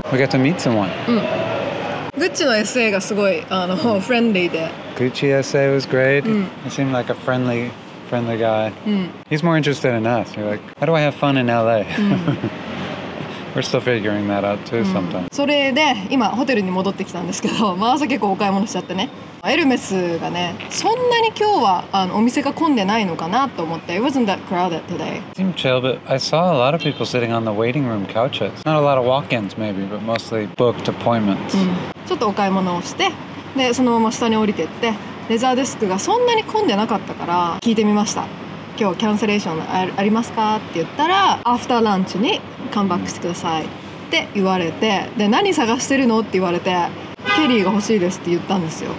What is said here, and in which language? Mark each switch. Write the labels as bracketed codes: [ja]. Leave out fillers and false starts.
[en] To meet someone. [ja] Gucci の SA がすごいフレンリーで。 [en] Gucci SA was great. He seemed like a friendly guy. He's more interested in us. You're like, how do I have fun in LA? We're still figuring that out too sometimes. [ja] それで今ホテルに戻ってきたんですけど、まあ朝結構お買い物しちゃってね。エルメスがね、そんなに今日はお店が混んでないのかなと思って。 [en] It wasn't that crowded today. It seemed chill, but I saw a lot of people sitting on the waiting room couches. Not a lot of walk-ins maybe, but mostly booked appointments. [ja] ちょっとお買い物をして、で、そのまま下に降りてって、レザーデスクがそんなに混んでなかったから聞いてみました。今日キャンセレーションありますかって言ったら、アフターランチにカムバックしてくださいって言われて、で、何探してるのって言われて、ケリーが欲しいですって言ったんですよ。